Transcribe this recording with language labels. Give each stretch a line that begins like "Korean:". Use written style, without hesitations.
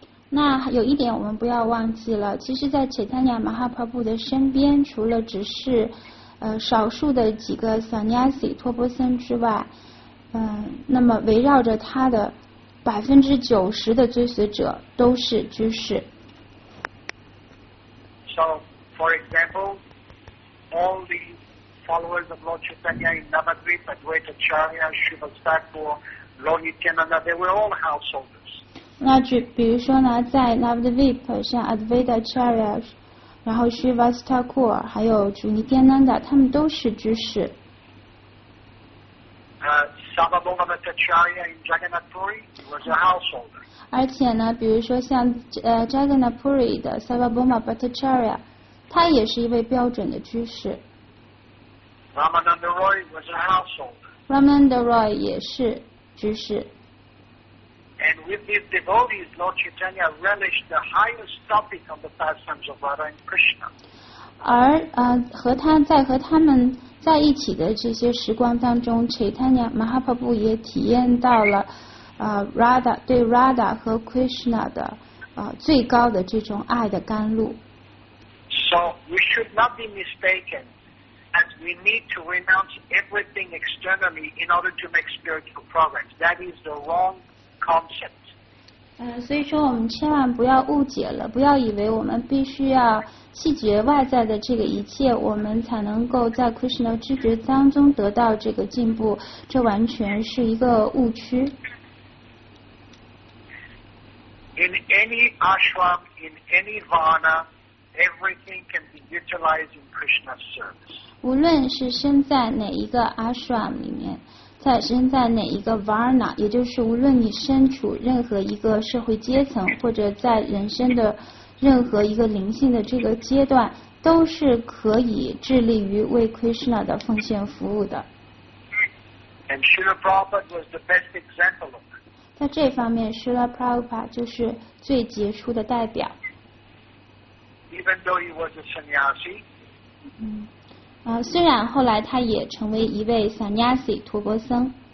Chinese: 那有一点我们不要忘记了，其实在 Chaitanya Mahaprabhu 的身边，除了只是少数的几个 sannyasi 托钵僧之外，那么围绕着他的90%的追随者都是居士。
English: So, for example,all the followers of Lord Chaitanya in Navadvipa, Advaita Acharya, Srila Thakur, Lord Nityananda, they were all householders.
Chinese: 那举比如说呢，在 Navadvipa 像 Advaita Acharya, 然后 Srila Thakur, 还有主尼天南达，他们都是居士。
English: Sarvabhaumavata Acharya in Jagannathpuri was a householder.
Chinese: 而且呢，比如说像Jagannathpuri 的 Sarvabhaumavata Acharya。他也是一位标准的居士。
English: Ramananda Roy was a householder.
Chinese: Ramananda Roy 也是居士。
English: And with these devotees, Lord Chaitanya relished the highest topic of the pastimes of Radha and Krishna.
Chinese: 而和他们在一起的这些时光当中 ，Chaitanya Mahaprabhu 也体验到了Radha 对 Radha 和 Krishna 的最高的这种爱的甘露。
English: So we should not be mistaken, as we need to renounce everything externally in order to make spiritual progress. That is the wrong concept.
Chinese: 所以说我们千万不要误解了，不要以为我们必须要弃绝外在的这个一切，我们才能够在 Krishna 知觉当中得到这个进步，这完全是一个误区。
English: In any ashram, in any vana. Everything can be utilized in Krishna's service.
Chinese: 无论是身在哪一个 ashram 里面，在身在哪一个 varna， 也就是无论你身处任何一个社会阶层，或者在人生的任何一个灵性的这个阶段，都是可以致力于为 Krishna 的奉献服务的。
English: And Srila Prabhupada was the best example of it.
Chinese: 在这方面 ，Srila Prabhupada 就是最杰出的代表。
English: Even though he was a sannyasi,
Chinese: 虽然后来他也成为一位 sannyasi 托钵僧